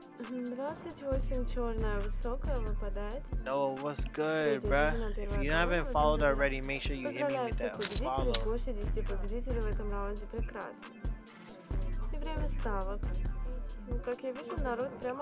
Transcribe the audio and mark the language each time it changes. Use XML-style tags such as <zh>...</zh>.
<ru>28 черная высокая выпадает.</ru> <en>No, what's good, bruh? If you haven't followed already, make sure you hit me with that follow.</en> <ru>Больше 10 победителей в этом раунде прекрасно. И время ставок. Ну, как я вижу, народ прямо</ru>